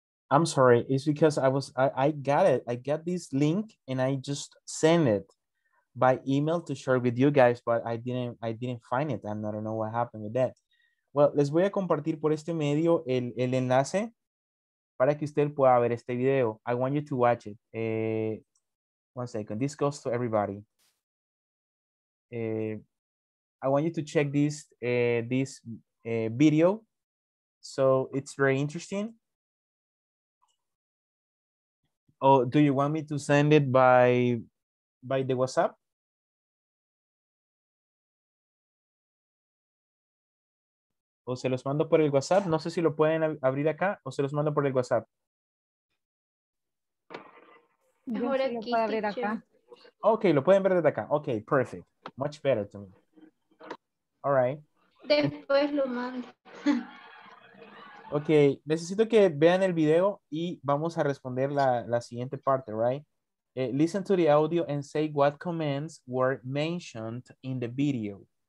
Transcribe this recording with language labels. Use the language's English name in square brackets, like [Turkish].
[English] I'm sorry. It's because I was, I got it. I got this link and I just sent it by email to share with you guys, but I didn't find it. And I don't know what happened with that. [Spanish] Well, les voy a compartir por este medio el enlace para que usted pueda ver este video. [English] I want you to watch it. One second. This goes to everybody. I want you to check this video. So it's very interesting. Oh, do you want me to send it by the WhatsApp? [Spanish] O se los mando por el WhatsApp. No sé si lo pueden abrir acá o se los mando por el WhatsApp. Mejor aquí, [English] teacher. Okay, [Spanish] lo pueden ver desde acá. [English] Okay, perfect. Much better to me. All right. [Spanish] Después lo mando. Okay, necesito que vean el video y vamos a responder la siguiente parte, right? [English] Listen to the audio and say what comments were mentioned in the video.